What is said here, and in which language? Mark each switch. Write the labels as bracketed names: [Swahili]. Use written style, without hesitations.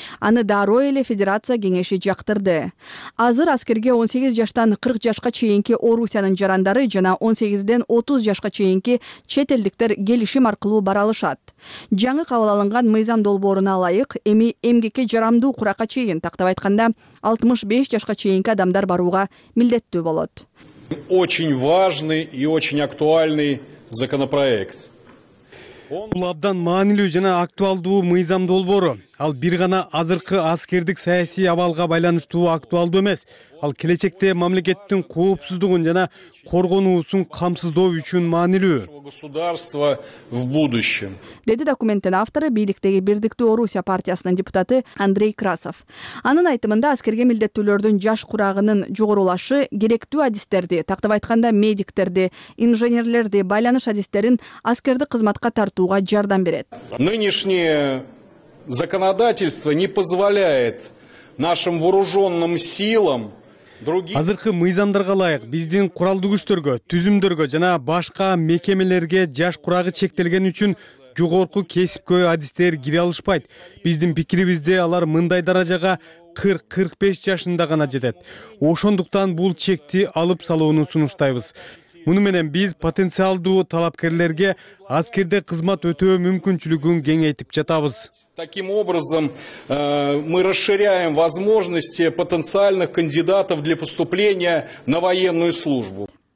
[Kyrgyz] Аны дароо эле Федерация кеңеши жактырды. Азыр аскерге 18 жаштан 40 жашка чейинки Орусиянын жарандары жана 18-ден 30 жашка чейинки чет элдиктер келишим аркылуу бара алышат. Жаңы кабыл алынган мыйзам долбооруна ылайык, эми эмгекке жарамдуу курака чейин, тактап айтканда 65 жашка чейинки адамдар барууга милдеттүү болот. [Russian] Очень важный и очень актуальный законопроект. [Kyrgyz] Бул абдан маанилүү жана актуалдуу мыйзам долбоору. Ал бир гана азыркы аскердик саясий абалга байланыштуу актуалдуу эмес. Ал келечекте мамлекеттин коопсуздугун жана коргонуусун камсыздоо үчүн маанилүү. [Russian] Государство в будущем. [Kyrgyz] Деди документтин автору, бийликтеги Бирдиктүү Орусия партиясынын депутаты Андрей Красов. Анын айтымында аскерге милдеттүүлөрдүн жаш курагынын жогорулашы керектүү адистерди, тактап айтканда медиктерди, инженерлерди, байланыш адистерин аскердик кызматка тартууга жардам берет. [Russian] Нынешнее законодательство не позволяет нашим вооружённым силам. [Kyrgyz] Азыркы мыйзамдарга ылайык биздин куралдуу күчтөргө, түзүмдөргө жана башка мекемелерге жаш курагы чектелген үчүн жогорку кесипкө адистер кире алышпайт. Биздин пикирибизде алар мындай даражага 40-45 жашында гана жетет. Ошондуктан бул чекти алып салууну сунуштайбыз. Муну менен биз потенциалдуу талапкерлерге аскерде кызмат өтөө мүмкүнчүлүгүн кеңейтип жатабыз. [Russian] Таким образом, мы расширяем возможности потенциальных кандидатов для поступления на военную службу.